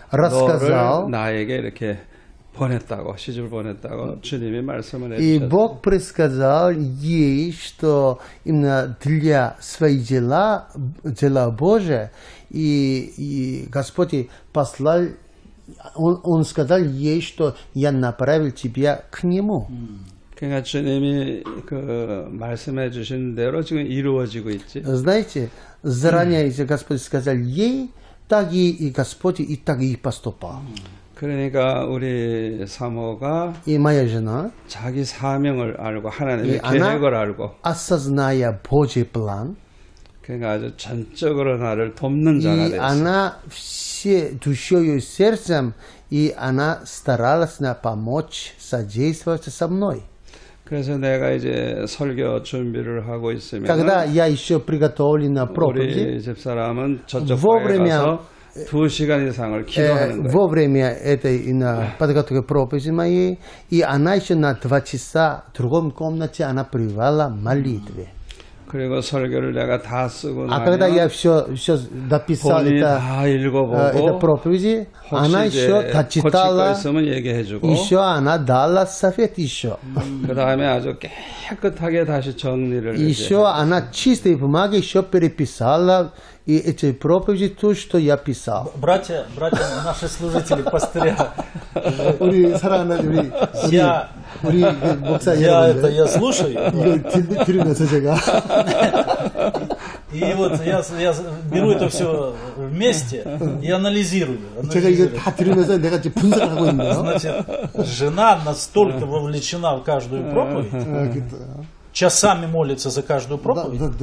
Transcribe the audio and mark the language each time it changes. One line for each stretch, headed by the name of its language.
Korean: 너를 나에게 이렇게 보냈다고 시집을 보냈다고 주님이 말씀을 해 주셨어요.
Russian: И Бог предсказал ей, что именно для своих дел, дел Божие, и Господь послал, он сказал ей, что я направил тебя к нему.
Korean: 그러니까 주님이 그 말씀해 주신 대로 지금 이루어지고 있지.
Russian: Знаете, заранее из Господь сказал ей, так и Господь и так и поступал.
Korean: 그러니까 우리 사모가
Russian: 이 моя жена
Korean: 자기 사명을 알고 하나님의 계획을 알고
Russian: осознавая Божий план.
Korean: 그러니까 아주 전적으로 나를 돕는 자가 됐어.
Russian: И она все душою и сердцем и она старалась на помочь содействовать со мной.
Korean: 그래서 내가 이제 설교 준비를 하고 있으면
Russian: Когда я ещё приготовлю на проповедь.
Korean: 우리 집사람은 저쪽 방에 가서 두 시간 이상을 기도하는 거예요.
Russian: Вовремя это и на подготовке проповеди моей, и она ещё на 2 часа в другом комнате она привала молитвы.
Korean: 그리고 설교를 내가 다 쓰고 나면
Russian: Когда я всё дописал это проповеди, она ещё дочитала. Ещё она дала совет ещё.
Korean: 그다음에 아주 깨끗하게 다시 정리를 해.
Russian: Ещё она чистой бумагой ещё переписала и эти проповеди то, что я писал. Братья, наши служители пастыря.
Korean: 우리 사랑하는 우리 우리 목사 여러분들.
Russian: Я слушаю.
Korean: 이거 들으면서 제가
Russian: И вот я беру это все вместе и анализирую. Я его так тренируюсь, я как-то пунцировал. Значит, жена настолько вовлечена в каждую проповедь, часами молится за каждую проповедь.